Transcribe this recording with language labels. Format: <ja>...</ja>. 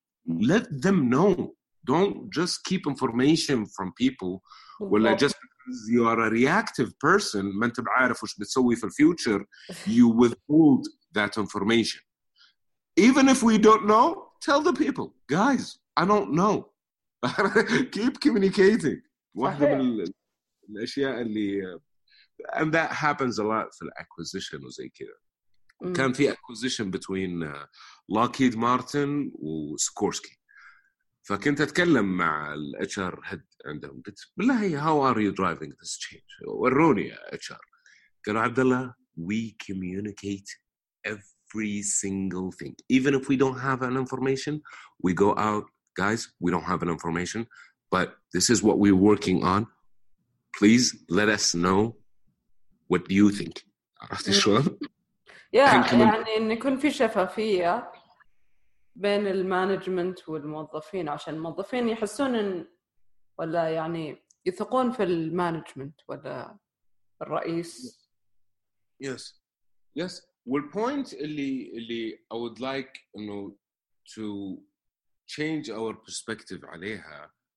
<en>Let them know. Don't just keep information from people, ولا just because you are a reactive person,</en> <ar>ما انت بعارف وش بتسوي في الfuture,</ar> <en>you withhold that information. Even if we don't know, tell the people, guys, I don't know. Keep communicating.</en> <ar>واحدة من الأشياء اللي</ar> <en>and that happens a lot</en> <ar>في الأكوزيشن وزي كده. كان في أكوزيشن between Lockheed Martin وSikorsky. فكنت أتكلم مع الـ HR head عندهم. قلت بالله,</ar> <en>how are you driving this change?</en> <ar>وروني يا HR. قالوا</ar> <en>عبد الله, we communicate every single thing. Even if we don't have an information, we go out, guys, we don't have an information, but this is what we're working on. Please let us know what do you think.</en> <ar>عرفت شلون؟ يعني ان يكون في شفافية بين المانجمنت والموظفين عشان الموظفين يحسون ان ولا يعني يثقون في المانجمنت ولا الرئيس.</ar> <en>Yes. Yes. Well, point اللي I would like you know, to change our perspective</en> <ar>عليها.</ar>